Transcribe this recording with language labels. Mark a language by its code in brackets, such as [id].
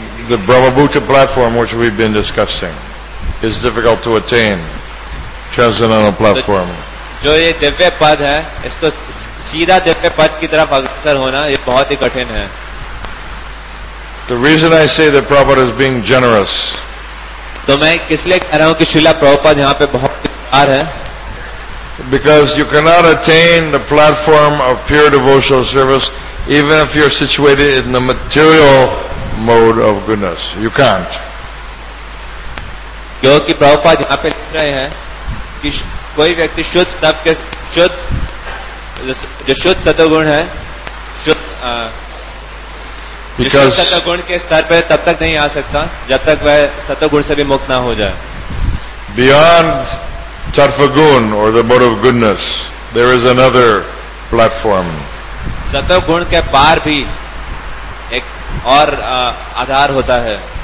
[en] The Brahmabhuta platform which we've been discussing is difficult to attain. Transcendental platform. [hi] जो ये दिव्य पद है इसको सीधा दिव्य पद की तरफ अग्रसर होना ये बहुत ही कठिन है. [en] The reason I say that Prabhupada is being generous. [hi] तो मैं किस लिए कह रहा हूँ कि श्रीला प्रभुपाद यहाँ पे बहुत उदार है? [en] Because you cannot attain the platform of pure devotional service even if you're situated in the material mode of goodness. You can't. [hi] क्योंकि प्रभुपाद यहाँ पे लिख रहे हैं कि कोई व्यक्ति शुद्ध स्तव के शुद्ध जो शुद्ध सतोगुण है शुद्ध सतोगुण के स्तर पर तब तक नहीं आ सकता जब तक वह सतोगुण से भी मुक्त ना हो जाए. [en] Beyond tarfagun or the mode of goodness, there is another platform. [hi] सतोगुण के पार भी एक और आधार होता है.